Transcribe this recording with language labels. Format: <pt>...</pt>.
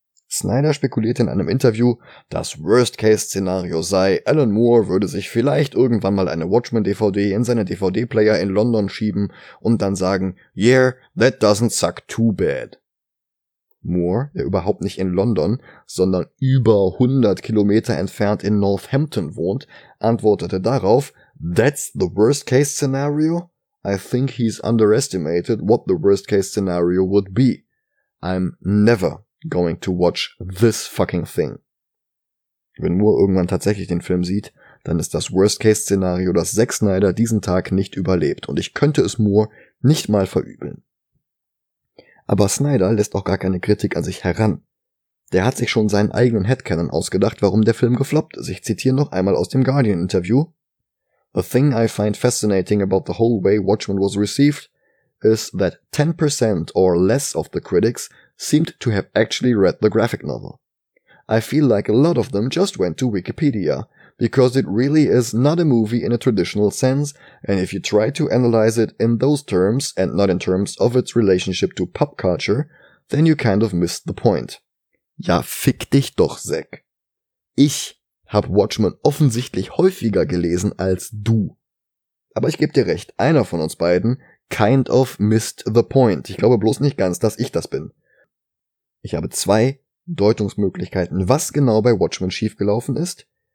<de>Snyder spekulierte in einem Interview, das Worst-Case-Szenario sei, Alan Moore würde sich vielleicht irgendwann mal eine Watchmen-DVD in seine DVD-Player in London schieben und dann sagen,</de> <en>yeah, that doesn't suck too bad.</en> <de>Moore, der überhaupt nicht in London, sondern über 100 Kilometer entfernt in Northampton wohnt, antwortete darauf,</de> <en>that's the Worst-Case-Scenario? I think he's underestimated what the Worst-Case-Scenario would be. I'm never going to watch this fucking thing.</en> <de>Wenn Moore irgendwann tatsächlich den Film sieht, dann ist das Worst-Case-Szenario, dass Zack Snyder diesen Tag nicht überlebt und ich könnte es Moore nicht mal verübeln. Aber Snyder lässt auch gar keine Kritik an sich heran. Der hat sich schon seinen eigenen Headcanon ausgedacht, warum der Film gefloppt ist. Ich zitiere noch einmal aus dem Guardian-Interview.</de> <en>The thing I find fascinating about the whole way Watchmen was received is that 10% or less of the critics seemed to have actually read the graphic novel. I feel like a lot of them just went to Wikipedia, because it really is not a movie in a traditional sense, and if you try to analyze it in those terms, and not in terms of its relationship to pop culture, then you kind of missed the point.</en> <de>Ja, fick dich doch, Zack. Ich hab Watchmen offensichtlich häufiger gelesen als du. Aber ich gebe dir recht, einer von uns beiden</de> <en>kind of missed the point.</en> <de>Ich glaube bloß nicht ganz, dass ich das bin. Ich habe zwei Deutungsmöglichkeiten, was genau bei Watchmen schiefgelaufen ist.</de>